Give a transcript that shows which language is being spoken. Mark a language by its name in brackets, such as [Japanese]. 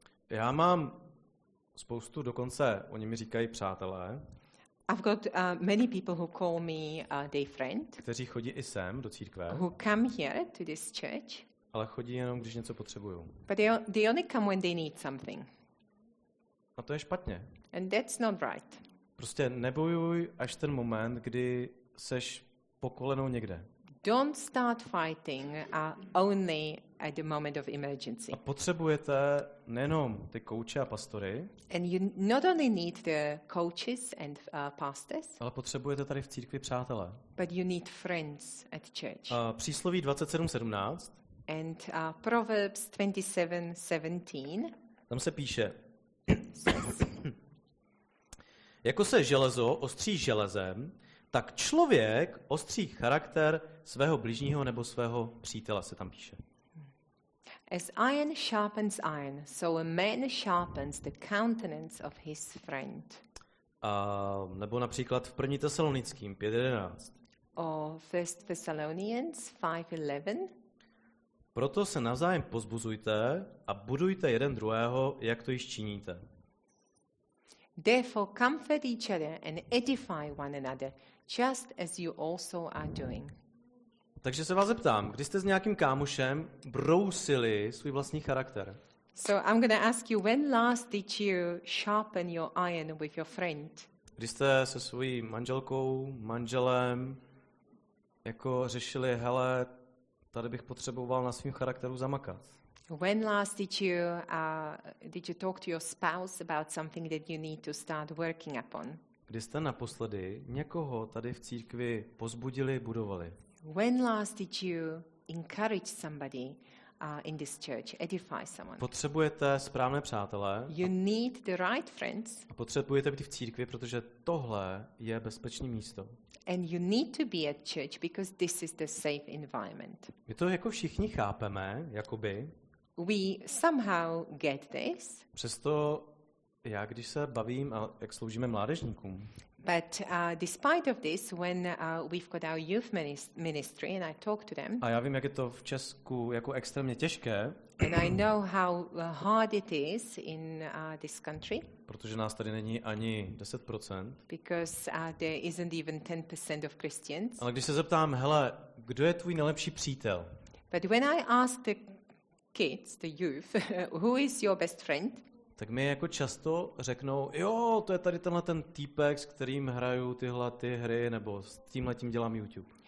[Czech] Já mám spoustu, dokonce oni mi říkají přátelé. [English] I've got many people who call me their friend. [Czech] Kteří chodí i sem do církve. [English] Who come here to this church. [Czech] Ale chodí jenom, když něco potřebují. [English] But they only come when they need something. [Czech] A to je špatně. [English] And that's not right. [Czech] Prostě nebojuj až ten moment, kdy seš po kolenou někde. [English] Don't start fighting only at the moment of emergency. [Czech] A potřebujete nejenom ty kouče a pastory. [English] And you not only need the coaches and pastors. [Czech] Ale potřebujete tady v církvi přátelé. [English] But you need friends at church. [Czech] Přísloví 27:17. [English] And Proverbs 27:17. [Czech] Tam se píše. Jako se železo ostří železem, tak člověk ostří charakter svého bližního nebo svého přítele, se tam píše. [English] As iron sharpens iron, so a man sharpens the countenance of his friend. [Czech] Nebo například v 1. Tesalonickým 5:11. [English] Or 1 Thessalonians 5:11. [Czech] Proto se navzájem pozbuzujte a budujte jeden druhého, jak to již činíte. [English] Therefore comfort each other and edify one another, just as you also are doing. [Czech] Takže se vás zeptám, kdy jste s nějakým kámošem brousili svůj vlastní charakter? [English] So I'm going to ask you, when last did you sharpen your iron with your friend? [Czech] Kdy jste se svojí manželkou, manželem, jako řešili, hele, tady bych potřeboval na svým charakteru zamakat. [English] When last did you talk to your spouse about something that you need to start working upon? [Czech] Kdy jste naposledy někoho tady v církvi pozbudili, budovali? [English] When last did you encourage somebody in this church, edify someone. [Czech] Potřebujete správné přátelé. [English] You need the right friends. [Czech] Potřebujete být v církvi, protože tohle je bezpečné místo. [English] And you need to be at church because this is the safe environment. [Czech] My to jako všichni chápeme, jakoby. [English] We somehow get this. [Czech] Přesto já, když se bavím a jak sloužíme mládežníkům. [English] But despite of this, when we've got our youth ministry and I talk to them. [Czech] A já vím, jak je to v Česku jako extrémně těžké. [English] And I know how hard it is in this country. [Czech] Protože nás tady není ani 10%. [English] Because there isn't even 10% of Christians. [Czech] Ale když se zeptám, hele, kdo je tvůj nejlepší přítel? [English] But when I ask the kids, the youth, who is your best friend? [Czech] Tak mi jako často řeknou, jo, to je tady tenhle ten týpek, s kterým hraju tyhle ty hry, nebo s tímhletím dělám YouTube.